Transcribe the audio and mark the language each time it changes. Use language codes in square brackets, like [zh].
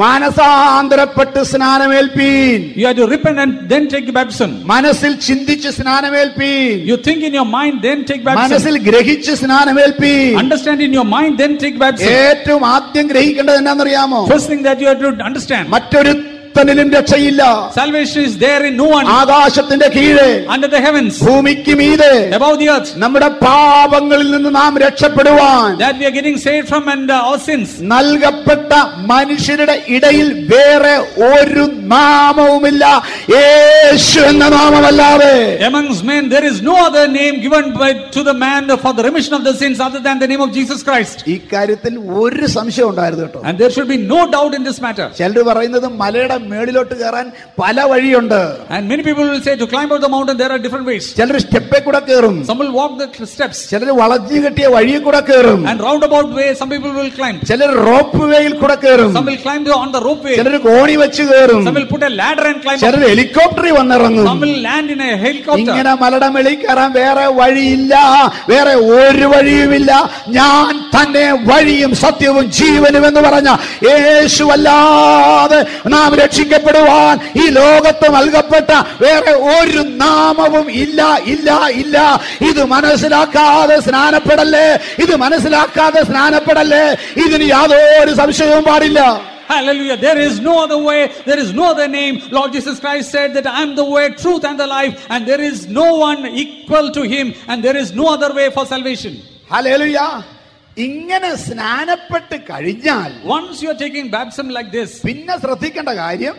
[ml] മാനസാന്തരപ്പെട്ട് സ്നാനം ഏൽപ്പീൻ. [en] You have to repent and then take baptism. [ml] മനസ്സിൽ ചിന്തിച്ച് സ്നാനം ഏൽപ്പീൻ. [en] You think in your mind then take baptism. [ml] മനസ്സിൽ ഗ്രഹിച്ച് സ്നാനം ഏൽപ്പീൻ. [en] Understand in your mind then take baptism. [ml] ഏറ്റവും ആദ്യം ഗ്രഹിക്കേണ്ടത് എന്താണെന്നറിയാമോ? [en] First thing that you have to understand. [ml] മറ്റൊരു തന്നിലും രക്ഷയില്ല. [en] Salvation is there in no one. [ml] ആകാശത്തിന്റെ കീഴെ, [en] under the heavens, [ml] ഭൂമിക്കു മീതെ, [en] above the earth, [ml] നമ്മുടെ പാപങ്ങളിൽ നിന്ന് നാം രക്ഷപ്പെടുവാൻ, [en] that we are getting saved from and our sins, [ml] നൽകപ്പെട്ട മനുഷ്യരുടെ ഇടയിൽ വേറെ ഒരു നാമവുമില്ല യേശു എന്ന നാമമല്ലാതെ. [en] Amongst men there is no other name given to the man for the remission of the sins other than the name of Jesus Christ. [ml] ഈ കാര്യത്തിൽ ഒരു സംശയം ഉണ്ടായിരുന്നു കേട്ടോ. [en] And there should be no doubt in this matter. [ml] ചിലര് പറയുന്നത് മലയുടെ മേളിലോട്ട് കയറാൻ പല വഴിയുണ്ട്. [en] And many people will say to climb up the mountain there are different ways. [ml] ചിലർ സ്റ്റെപ്പ് കൂടെ കയറും. [en] Some will walk the steps. [ml] ചിലർ വളഞ്ഞു കെട്ടിയ വഴി കൂടെ കയറും. [en] And roundabout way some people will climb. [ml] ചിലർ റോപ്പ് വേയിൽ കൂടെ കയറും. [en] Some will climb on the rope way. [ml] ചിലർ കോണി വെച്ച് കയറും. [en] Some will put a ladder and climb. [ml] ചിലർ ഹെലികോപ്റ്ററിൽ വന്നിറങ്ങും. [en] Some will land in a helicopter. [ml] ഇങ്ങനെ മലയുടെ മേളിൽ കയറാൻ വേറെ വഴിയില്ല. വേറെ ഒരു വഴിയുമില്ല. ഞാൻ തന്നെ വഴിയും സത്യവും ജീവനും എന്ന് പറഞ്ഞ യേശു അല്ലാതെ നാം രക്ഷിക്കപ്പെടുവാൻ ഈ ലോകത്ത് നൽകപ്പെട്ട വേറെ ഒരു നാമവും ഇല്ല, ഇല്ല, ഇല്ല. ഇത് മനസ്സിലാക്കാതെ സ്നാനപ്പെടല്ലേ, ഇത് മനസ്സിലാക്കാതെ സ്നാനപ്പെടല്ലേ, ഇതിന് യാതൊരു സംശയവും പാടില്ല. [en] Hallelujah. There is no other way. There is no other name. Lord Jesus Christ said that I am the way, truth and the life, and there is no one equal to him, and there is no other way for salvation. [ml] Hallelujah. ഇങ്ങനെ സ്നാനപ്പെട്ട് കഴിഞ്ഞാൽ, [en] once you are taking baptism like this, [ml] പിന്നെ ശ്രദ്ധിക്കേണ്ട കാര്യം,